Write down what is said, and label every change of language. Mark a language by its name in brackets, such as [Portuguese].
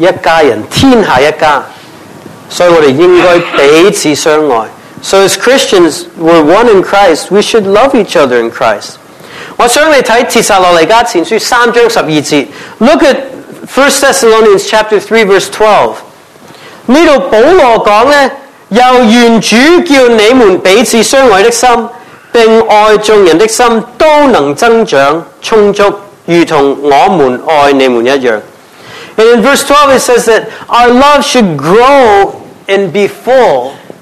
[Chinese] 在主里面,一家人,天下一家, 所以我们应该彼此相爱。 [English] So as Christians, we're one in Christ, we should love each other in Christ. [Chinese] 我想你看《帖撒罗尼迦前书》3章12节, [English] look at 1 Thessalonians chapter 3 verse 12. [Chinese] 这里保罗说呢, 由愿主叫你们彼此相爱的心, 并爱众人的心都能增长充足，如同我们爱你们一样。 [English] And in verse 12 it says that our love should grow and be full.